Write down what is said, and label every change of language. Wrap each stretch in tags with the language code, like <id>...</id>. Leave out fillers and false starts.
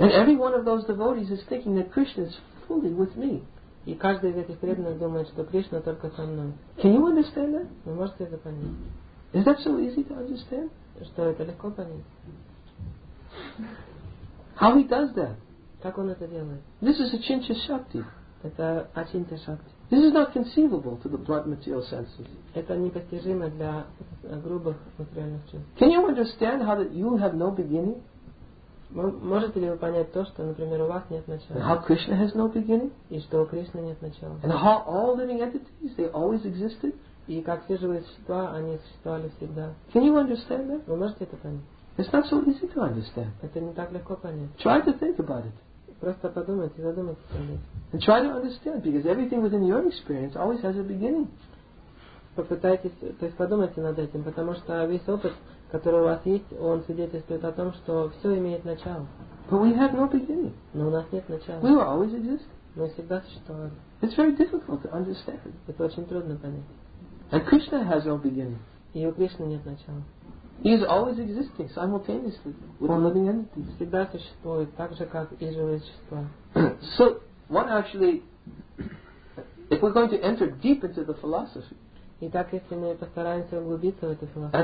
<en>And every one of those devotees is thinking that Krishna is fully with me.</en> <ru>И каждый из этих преданных думает, что Кришна только со мной.</ru> <en>Can you understand that?</en> <ru>Вы можете это понять?</ru> <en>Is that so easy to understand?</en> <ru>Что это легко понять?</ru> <en>How he does that?</en> <ru>Как он это делает?</ru> <en>This is Achintya Shakti.</en> <ru>Это Achintya Shakti.</ru> <en>This is not conceivable to the blunt material senses.</en> <ru>Это непостижимо для грубых материальных чувств.</ru> <en>Can you understand how that you have no beginning?</en> <ru>Можете ли вы понять то, что, например, у вас нет начала?</ru> <en>How Krishna has no beginning?</en> <ru>И что у Кришны нет начала?</ru> <en>And how all living entities, they always existed?</en> <ru>И как все живые существа, они существовали всегда?</ru> <en>Can you understand that?</en> <ru>Вы можете это понять?</ru> <en>It's not so easy to understand.</en> <ru>Это не так легко понять.</ru> <en>Try to think about it.</en> <ru>Просто подумайте, задумайтесь о ней.</ru> <en>And try to understand, because everything within your experience always has a beginning.</en> <ru>Попытайтесь, то есть подумайте над этим, потому что весь опыт, который у вас есть, он свидетельствует о том, что все имеет начало.</ru> <en>But we have no beginning.</en> <ru>Но у нас нет начала.</ru> <en>We will always exist.</en> <ru>Мы всегда существовали.</ru> <en>It's very difficult to understand.</en> <ru>Это очень трудно понять.</ru> <en>And Krishna has no beginning.</en> <ru>И у Кришны нет начала.</ru> <en>He is always existing simultaneously with all living entities.</en> <ru>Всегда существует, так же как и живые существа.</ru> <en>So one actually, if we're going to enter deep into the philosophy.</en> <ru>Итак, если мы постараемся углубиться в эту философию,</ru>